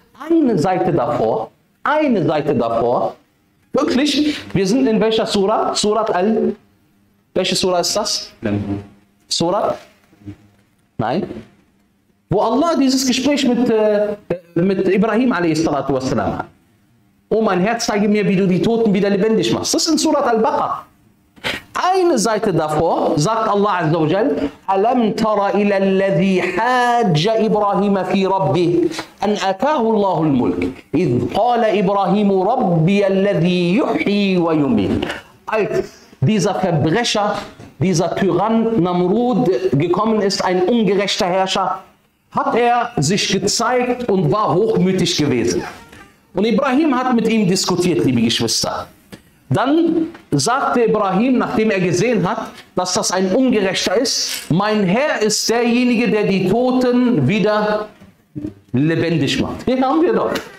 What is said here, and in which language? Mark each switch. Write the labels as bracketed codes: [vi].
[de] Eine Seite davor, wirklich, wir sind in welcher Sura? Welche Sura ist das? Sura? Nein. Wo Allah dieses Gespräch mit Ibrahim a.s. hat. Oh mein Herz, zeige mir, wie du die Toten wieder lebendig machst. Das ist in Surat Al-Baqarah. Eine Seite davor sagt Allah Azza wa Jal, [ar] أَلَمْ تَرَ إِلَى الَّذِي حَاجَّ إِبْرَاهِيمَ فِي رَبِّهِ أَنْ أَتَاهُ اللَّهُ الْمُلْكِ إِذْ قَالَ إِبْرَاهِيمُ رَبِّيَ الَّذِي يُحْيِي وَيُمِيتُ. [de] Als dieser Verbrecher, dieser Tyrann Namrud gekommen ist, ein ungerechter Herrscher, hat er sich gezeigt und war hochmütig gewesen. Und Ibrahim hat mit ihm diskutiert, liebe Geschwister. Dann sagte Ibrahim, nachdem er gesehen hat, dass das ein Ungerechter ist, mein Herr ist derjenige, der die Toten wieder lebendig macht. Hier haben wir doch.